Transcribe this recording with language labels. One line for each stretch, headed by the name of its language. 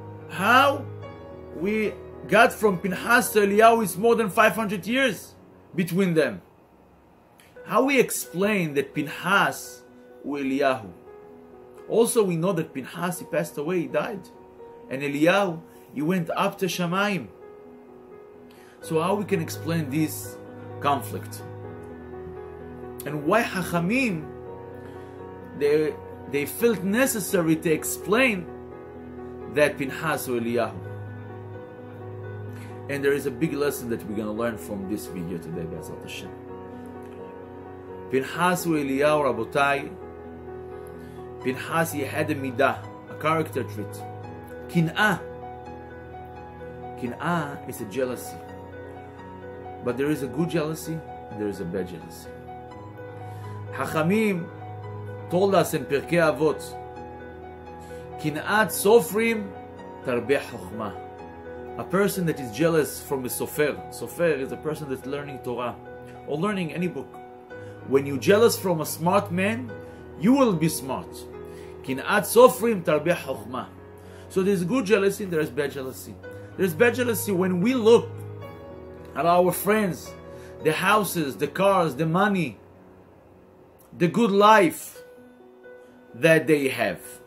English: How we got from פנחס to אליהו is more than 500 years between them. How we explain that פנחס הוא אליהו. Also we know that פנחס, he passed away, he died. And אליהו, he went up to שמיים. So how we can explain this conflict? And why Chachamim, they felt necessary to explain that Pinchas or Eliyahu. And there is a big lesson that we're going to learn from this video today, Be'ezrat Hashem. Pinchas or Eliyahu, Rabotai, Pinchas, he had a midah, a character trait. Kin'ah. Kin'ah is a jealousy. But there is a good jealousy, and there is a bad jealousy.
Hebrew: חכמים
English: told us in
Hebrew: פרקי אבות, קנאת סופרים תרבה חוכמה.
English: A person that is jealous from a סופר. סופר is a person that's learning Torah or learning any book. When you're jealous from a smart man, you will be smart.
Hebrew: קנאת סופרים תרבה חוכמה.
English: So there's good jealousy, there is bad jealousy. There's bad jealousy when we look at our friends, the houses, the cars, the money, the good life that they have.